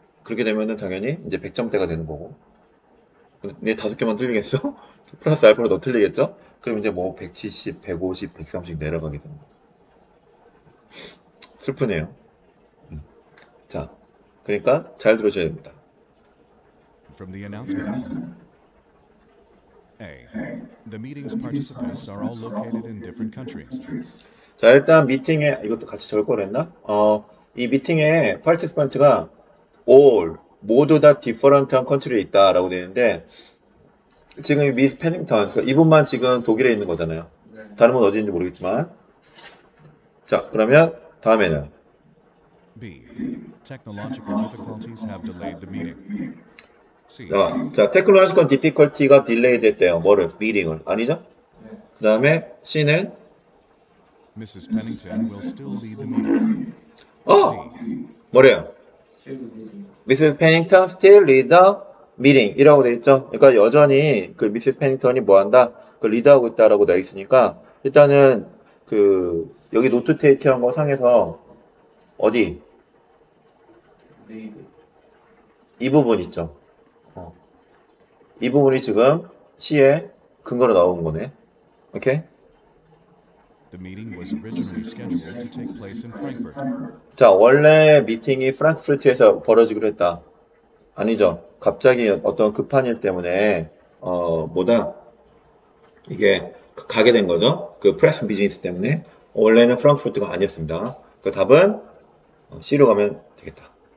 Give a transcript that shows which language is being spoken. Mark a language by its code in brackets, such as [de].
[ko] 그렇게 되면은 당연히 이제 100점대가 되는 거고. 근데 다섯 개만 틀리겠어? 플러스 알파로 더 틀리겠죠? 그럼 이제 뭐 170, 150, 130 내려가게 되는 거죠. 슬프네요. 자, 그러니까 잘 들어줘야 됩니다. [en] From the announcement. A. The meeting's participants are all located in different countries. [ko] 자, 일단 미팅에 이것도 같이 적을 걸 했나? 이 미팅에 participant가 all 모두 다 different한 country에 있다라고 되는데 지금 미스 패닝턴 그러니까 이분만 지금 독일에 있는 거잖아요. 다른 분 어디인지 모르겠지만 자, 그러면 다음에는 [en] B. Technological difficulties have delayed the meeting. [ko] 자, [en] technological difficulty [ko] 가 delayed 됐대요. 뭐를? meeting을. 아니죠? 그 다음에 C는? [en] Mrs. Pennington will still lead the meeting. [ko] 뭐래요? Mrs. [en] Pennington still lead the meeting. [ko] 이라고 돼 있죠? 그러니까 여전히 그 Mrs. Pennington이 뭐 한다? 그 리드하고 있다라고 돼 있으니까 일단은 그 여기 노트 테이크 한 거 상에서 어디? [en] lead. [ko] 이 부분 있죠? 이 부분이 지금 시의 근거로 나온 거네. 오케이. [en] The meeting was originally scheduled to take place in Frankfurt. [ko] 자, 원래 미팅이 프랑크푸르트에서 벌어지기로 했다. 아니죠. 갑자기 어떤 급한 일 때문에 뭐다? 이게 가게 된 거죠. 그 프레스 비즈니스 때문에 원래는 프랑크푸르트가 아니었습니다. 그 답은 C로 가면 되겠다.